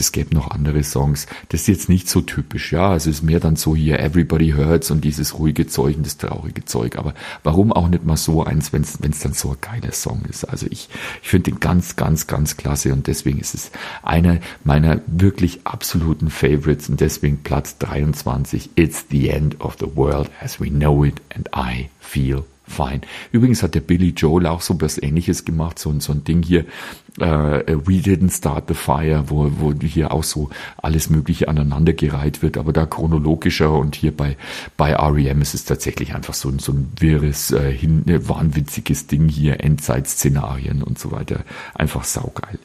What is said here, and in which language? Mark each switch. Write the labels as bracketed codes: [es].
[de] Es gäbe noch andere Songs. Das ist jetzt nicht so typisch, ja. Also es ist mehr dann so hier Everybody Hurts und dieses ruhige Zeug und das traurige Zeug. Aber warum auch nicht mal so eins, wenn es dann so ein geiler Song ist? Also ich finde den ganz, ganz, ganz klasse und deswegen ist es einer meiner wirklich absoluten Favorites und deswegen Platz 23. [en] It's the end of the world as we know it and I feel fine. [de] Übrigens hat der Billy Joel auch so was Ähnliches gemacht, so ein Ding hier, We Didn't Start the Fire, wo hier auch so alles Mögliche aneinandergereiht wird, aber da chronologischer und hier bei R.E.M. ist es tatsächlich einfach so ein wirres, wahnwitziges Ding hier, Endzeit-Szenarien und so weiter, einfach saugeil.